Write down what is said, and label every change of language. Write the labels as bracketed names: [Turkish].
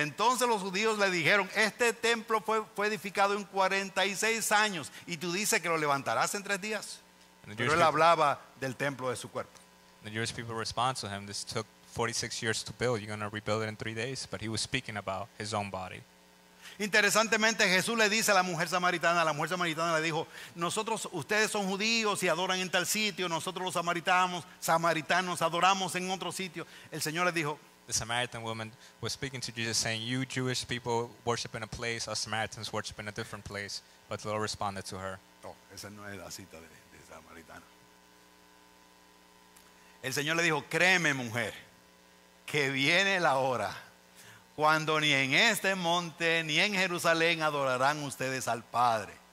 [Spanish] Entonces los judíos le dijeron, este templo fue edificado en 46 años y tú dices que lo levantarás en tres días. Pero él hablaba del templo de su cuerpo. [English] The Jewish people respond to him, this took 46 years to build, you're going to rebuild it in 3 days, but he was speaking about his own body. [Spanish] Interesantemente, Jesús le dice a la mujer samaritana, le dijo, nosotros, ustedes son judíos y adoran en tal sitio, nosotros los samaritanos adoramos en otro sitio. El Señor le dijo, [English] the Samaritan woman was speaking to Jesus saying, you Jewish people worship in a place, us Samaritans worship in a different place. But the Lord responded to her. [Spanish] No, esa no es la cita de samaritana. El Señor le dijo, créeme mujer, que viene la hora cuando ni en este monte ni en Jerusalén adorarán ustedes al Padre.